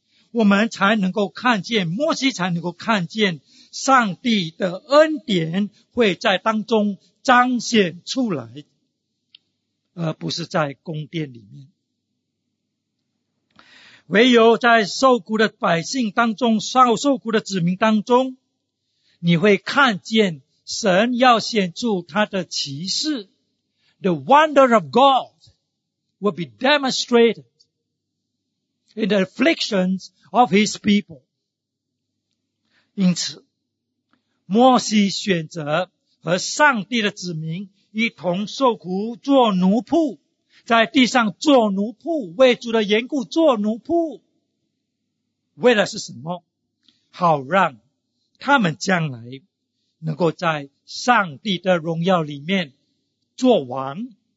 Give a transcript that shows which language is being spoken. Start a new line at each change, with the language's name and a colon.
Chinese: 我们才能够看见，摩西才能够看见上帝的恩典会在当中彰显出来，而不是在宫殿里面。唯有在受苦的百姓当中，受苦的子民当中，你会看见神要显出他的奇事。
English: The wonder of God will be demonstrated in the afflictions of his people.
Chinese: 因此摩西选择和上帝的子民一同受苦，做奴仆，在地上做奴仆，为主的缘故做奴仆，为的是什么？好让他们将来能够在上帝的荣耀里面做王。